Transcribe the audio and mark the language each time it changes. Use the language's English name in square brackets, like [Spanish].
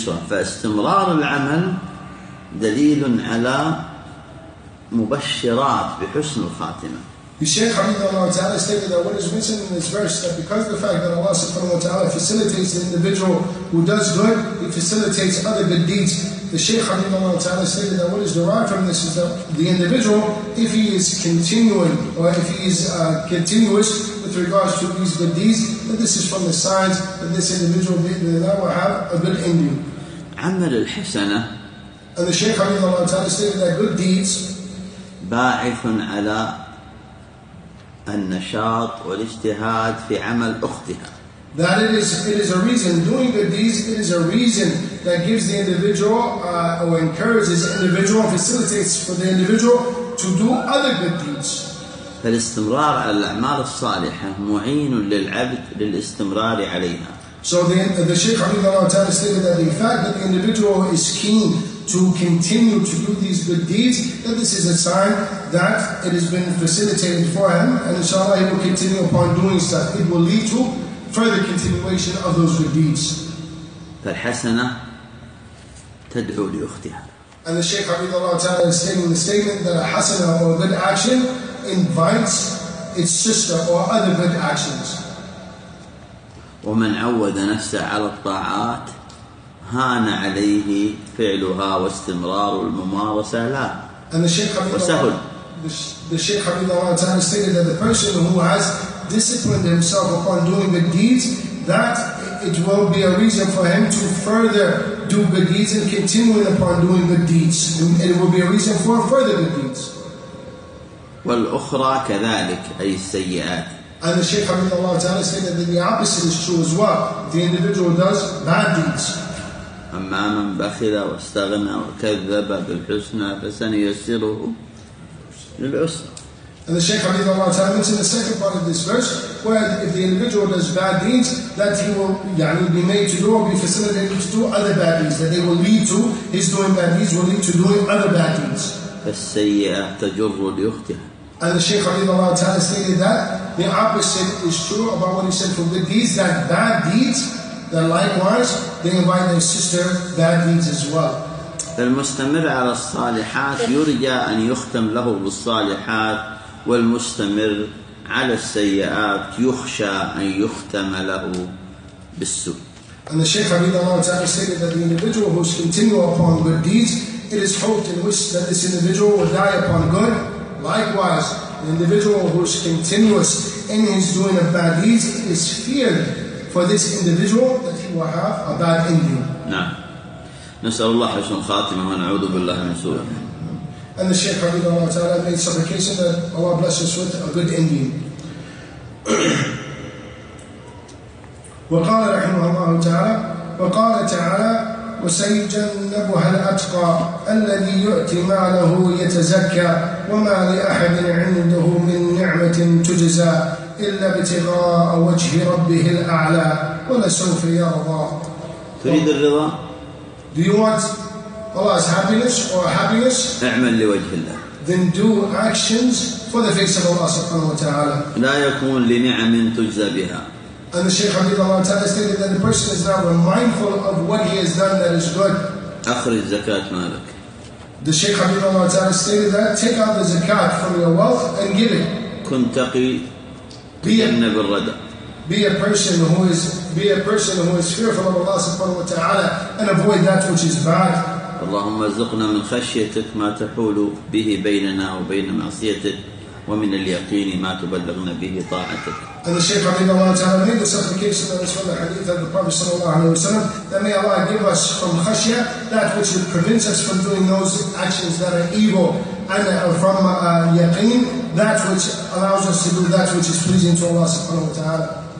[Arabic] فاستمرار العمل دليل على مبشرات بحسن الخاتمة. [English] The Shaykh Habibullah Ta'ala stated that what is mentioned in this verse, that because of the fact that Allah subhanahu wa ta'ala facilitates the individual who does good, he facilitates other good deeds. The Shaykh Habibullah Ta'ala stated that what is derived from this is that the individual, if he is continuing, or if he is continuous with regards to these good deeds, that this is from the signs that this individual will have a good ending. [Arabic] عمل الحسنة. [English] And the Shaykh Habibullah Ta'ala stated that good deeds [Arabic] باعث على النشاط والاجتهاد في عمل أختها. [English] That it is a reason. Doing good deeds, it is a reason that gives the individual or encourages the individual, facilitates for the individual to do other good deeds. [Arabic] فالاستمرار على الأعمال الصالحة معين للعبد للاستمرار عليها. [English] So the Shaykh Ali Allah Ta'ala stated that the fact that the individual is keen to continue to do these good deeds, that this is a sign that it has been facilitated for him, and inshallah he will continue upon doing stuff. It will lead to further continuation of those good deeds. [Arabic] فالحسنه تدعو لاختها. [English] And the Shaykh Habib Allah Ta'ala is stating the statement that a hasana, or a good action, invites its sister or other good actions. [Arabic] ومن عود نفسه على الطاعات هان عليه فعلها واستمرار الممارسة لا وسهل. [English] The Shaykh Habibullah Ta'ala stated that the person who has disciplined himself upon doing good deeds, that it will be a reason for him to further do good deeds and continuing upon doing good deeds. And it will be a reason for further good deeds. [Arabic] والأخرى كذلك أي السيئات. [English] And the Shaykh Habibullah Ta'ala stated that the opposite is true as well. The individual does bad deeds. [Arabic] أما من بخل واستغنى وكذب بالحسنى فسنيسره للعسرى. [English] And the Shaykh Habib Allah Ta'ala mentioned the second part of this verse, where if the individual does bad deeds, that he will be made to do or be facilitated to do other bad deeds, that they will lead to his doing bad deeds, will lead to doing other bad deeds. [Arabic] فالسيئة تجر لأختها. [English] And the Shaykh Habib Allah Ta'ala stated that the opposite is true about what he said for good deeds, that bad deeds, that likewise, they invite their sister bad deeds as well. [Arabic] المستمر على الصالحات يرجى أن يختم له بالصالحات والمستمر على السيئات يخشى أن يختم له بالسوء. [English] And the Shaykh Habibullah Ta'ala stated that the individual who is continuing upon good deeds, it is hoped and wished that this individual will die upon good. Likewise, the individual who is continuous in his doing of bad deeds, it is feared for this individual that he will have a bad ending. [Arabic] نعم. نسأل الله حسن خاتمة ونعوذ بالله من سوء. [English] And the Shaykh Habib Allah Ta'ala made supplication that Allah bless us with a good ending. [Arabic] وقال رحمه الله تعالى وقال تعالى وسيجنبها الأتقى الذي يؤتي ماله يتزكى وما لأحد عنده من نعمة تجزى إلا ابتغاء وجه ربه الأعلى ولسوف يرضى. تريد الرضا؟ [English] Do you want Allah's happiness or happiness? [Arabic] اعمل لوجه الله. [English] Then do actions for the face of Allah [Arabic] سبحانه وتعالى. لا يكون لنعم تجزى بها. [English] And the Shaykh Habib Allah Ta'ala stated that the person is not mindful of what he has done that is good. [Arabic] أخرج زكاة مالك. [English] The Shaykh Habib Allah Ta'ala stated that take out the zakat from your wealth and give it. [Arabic] كن تقي. [English] Be a person who is fearful of Allah subhanahu wa ta'ala and avoid that which is bad. [Arabic] اللهم ارزقنا من خشيتك ما تحول به بيننا وبين معصيتك. ومن اليقين ما تبلغنا به طاعتك. [English] And the Shaykh Abdullah Allah Ta'ala made the supplication that is from the hadith of the Prophet Sallallahu Alaihi Wasallam, that may Allah give us from khashya that which prevents us from doing those actions that are evil, and from yaqeen that which allows us to do that which is pleasing to Allah Subhanahu Wa Ta'ala.